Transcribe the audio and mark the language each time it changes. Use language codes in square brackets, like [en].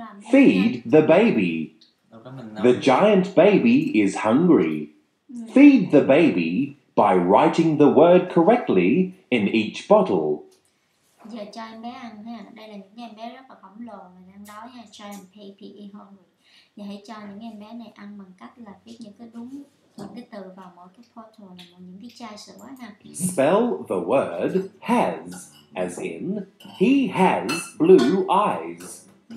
[en] Feed the baby. The giant baby is hungry. Feed the baby by writing the word correctly in each bottle. [vi] Giờ cho em bé ăn ha. Đây là những em bé rất là khổng lồ và đang đói nha. Cho em baby hungry. Giờ hãy cho những em bé này ăn bằng cách là viết những cái đúng những cái từ vào mỗi cái bottle là những cái chai sữa ha. [en] Spell the word has, as in he has blue eyes.